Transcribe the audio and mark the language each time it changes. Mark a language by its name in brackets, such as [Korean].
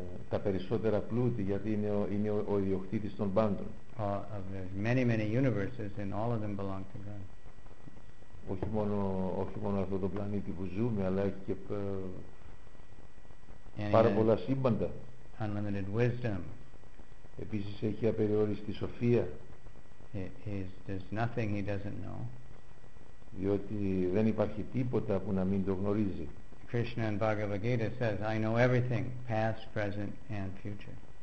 [Greek] Τα περισσότερα πλούτη, γιατί είναι ο ιδιοκτήτης των πάντων. [English] Of the many, many universes, and all of them belong to God. [Greek] Όχι μόνο αυτό το πλανήτη που ζούμε, αλλά έχει και πάρα πολλά σύμπαντα. [English] Unlimited wisdom. [Greek] Επίσης έχει απεριόριστη σοφία. [English] There's nothing he doesn't know. [Greek] Διότι δεν υπάρχει τίποτα που να μην το γνωρίζει. [English] Krishna in Bhagavad Gita says, I know everything, past, present and future.